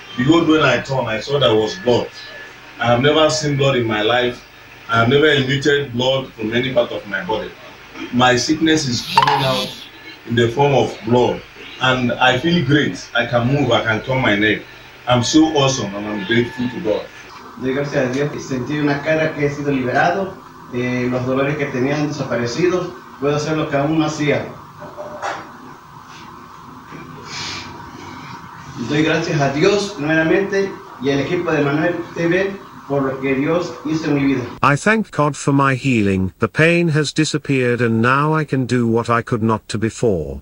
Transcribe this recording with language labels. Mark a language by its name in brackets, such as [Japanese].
[English] Because when I turned, I saw there was blood. I have never seen blood in my life. I have never emitted blood from any part of my body. My sickness is coming out in the form of blood. And I feel great. I can move. I can turn my neck. I'm so awesome and I'm grateful to God. [Spanish] Llegarse a Dios y sentir una cara que he sido liberado, los dolores que tenía han desaparecido, puedo hacer lo que aún no hacía. Doy gracias a Dios nuevamente y al equipo de Manuel TV por lo que Dios hizo en mi vida. [English] I thank God for my healing. The pain has disappeared and now I can do what I could not to before.